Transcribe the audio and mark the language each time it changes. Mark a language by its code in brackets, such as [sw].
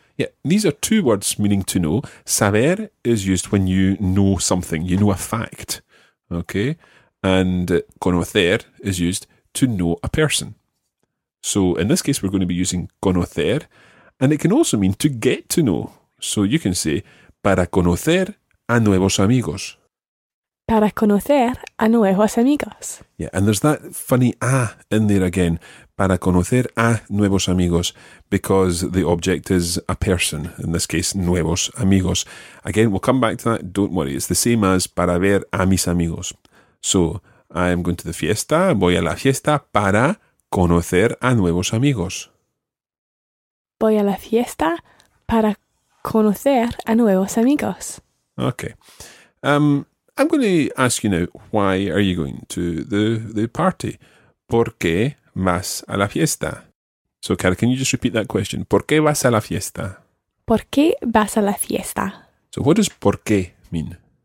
[en] Yeah, these are two words meaning to know. Saber is used when you know something, you know a fact, okay? And conocer is used to know a person. So in this case, we're going to be using conocer, and it can also mean to get to know. So you can say, [es] para conocer a nuevos amigos. Para conocer a nuevos amigos. [en] Yeah, and there's that funny a in there again. [es] Para conocer a nuevos amigos, [en] because the object is a person, in this case, nuevos amigos. Again, we'll come back to that, don't worry. It's the same as [es] para ver a mis amigos. [en] So, I am going to the fiesta, [es] voy a la fiesta para conocer a nuevos amigos. Voy a la fiesta para conocer a nuevos amigos. [en] Okay. I'm going to ask you now, why are you going to the party? [es] ¿Por qué vas a la fiesta? [en] So, Cara, can you just repeat that question? [es] ¿Por qué vas a la fiesta? ¿Por qué vas a la fiesta? [en] So, what does por qué mean?